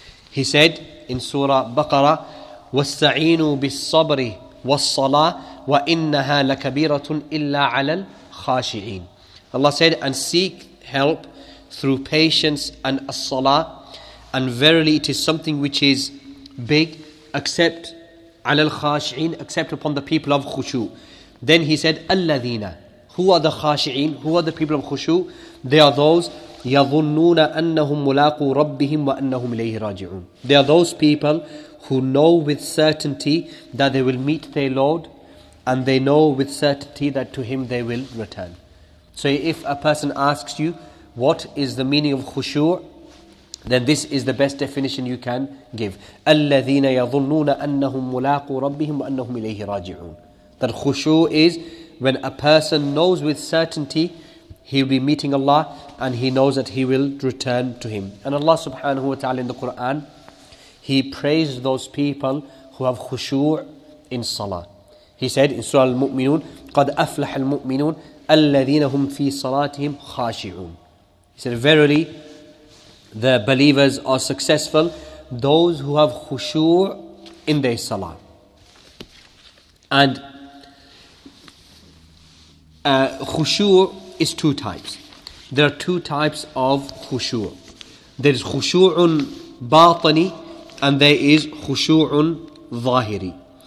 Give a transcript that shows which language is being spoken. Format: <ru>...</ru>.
<en>He said in Surah Baqarah,</en> <ar>وَاسْتَعِينُوا بِالصَّبْرِ وَالصَّلَاةِ وَإِنَّهَا لَكَبِيرَةٌ إِلَّا عَلَى الْخَاشِعِينَ.</ar> <en>Allah said, and seek help through patience and as-salah, and verily it is something which is big, except</en> <ar>عَلَى الْخَاشِعِينَ,</ar> <en>except upon the people of khushu. Then he said, الَّذِينَ, who are the khashi'een, who are the people of khushu? They are those</en> <ar>يَظُنُّونَ أَنَّهُمْ مُلَاقُوا رَبِّهِمْ وَأَنَّهُمْ إِلَيْهِ رَاجِعُونَ.</ar> <en>They are those people who know with certainty that they will meet their Lord, and they know with certainty that to Him they will return. So if a person asks you, what is the meaning of khushu', then this is the best definition you can give.</en> <ar>أَلَّذِينَ يَظُنُّونَ أَنَّهُمْ مُلَاقُوا رَبِّهِمْ وَأَنَّهُمْ إِلَيْهِ رَاجِعُونَ.</ar> <en>That khushu' is when a person knows with certainty he will be meeting Allah, and he knows that he will return to Him. And Allah subhanahu wa ta'ala in the Quran, He praised those people who have khushu' in salah. He said in Surah Al-Mu'minun,</en> <ar>قَدْ أَفْلَحَ الْمُؤْمِنُونَ الَّذِينَ هُمْ فِي صَلَاتِهِمْ خَاشِعُونَ.</ar> <en>He said, verily, the believers are successful, those who have khushu' in their salah. And khushu' is two types. There are two types of khushu'. There is khushu'un batani and there is khushu'un zahiri.</en>